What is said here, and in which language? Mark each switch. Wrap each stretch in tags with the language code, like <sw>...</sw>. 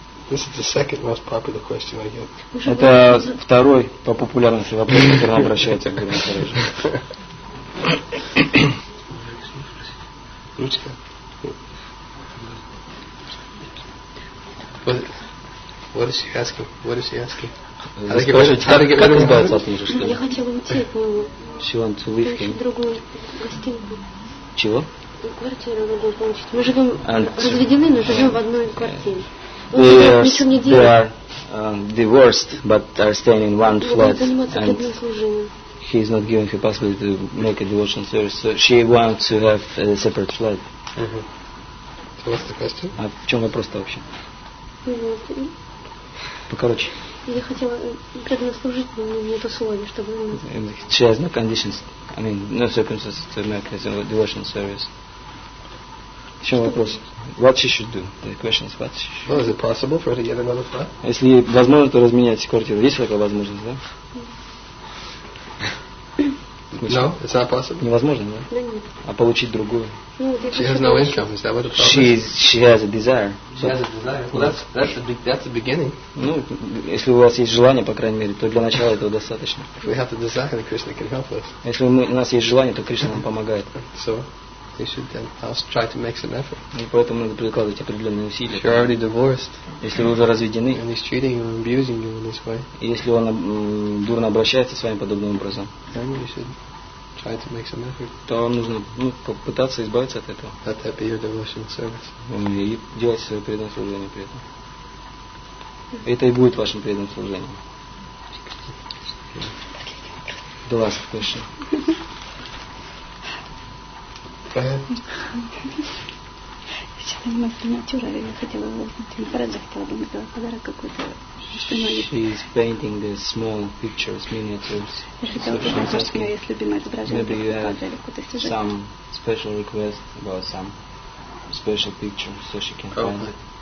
<en>This is the second most popular question I get.</en> <ru>Это второй по популярности вопрос, который обращается к Гурму Махараджу. Ручка.</ru> <en>What is she asking? What is she asking?</en> <ru>Как избавиться от мужа? Я хотела уйти в</ru> <en>She wants to leave him.</en> <ru>Другую гостиницу. Чего? Квартиру могу получить. Мы живем разведены, но живем в одной квартире.</ru> <en>They are divorced, but are staying in one flat, and he is not giving her possibility to make a devotional service, so she wants to have a separate flat. Uh-huh. So what's the question?</en> <ru>А в чем вопрос-то вообще? Покороче. Я хотела предназначить, но нет условий, чтобы...</ru> <en>She has no conditions, I mean, no circumstances to make a devotional service.</en> <ru>В чем вопрос?</ru> <en>What she should do? The question is what she should do. Well, is it possible for her to get another flat?</en> <ru>Если возможно, то разменять квартиру. Есть такая возможность, да?</ru> <en>No, it's not possible.</en> <ru>Невозможно, да? А получить другую?</ru> <en>She has no income. Is that what the problem is? She has a desire. Well, that's a beginning.</en> <ru>Ну, если у вас есть желание, по крайней мере, то для начала этого достаточно.</ru> <en>If we have the desire, Krishna can help us.</en> <ru>Если у нас есть желание, то Кришна нам помогает.</ru> <en>So? They should then try to make some effort.</en> <ru>И поэтому надо прикладывать определенные усилия.</ru> <en>If you're already divorced,</en> <ru>если вы уже разведены,</ru> <en>and he's treating you and abusing you in this way,</en> <ru>если он дурно обращается с вами подобным образом,</ru> <en>then you should try to make some effort.</en> <ru>То вам нужно попытаться избавиться от этого.</ru> <en>Let that be your devotional service.</en> <ru>И делать свое преданное служение при этом. Это и будет вашим преданным служением.</ru> <en>The last question.</en> <ru>Я что-то не могу понять, уже я хотела узнать, не парадж, хотела бы мне сделать подарок какой-то.</ru> <en>She is painting the small pictures, miniatures. Maybe you have some special request about some special picture, so she can find it.</en>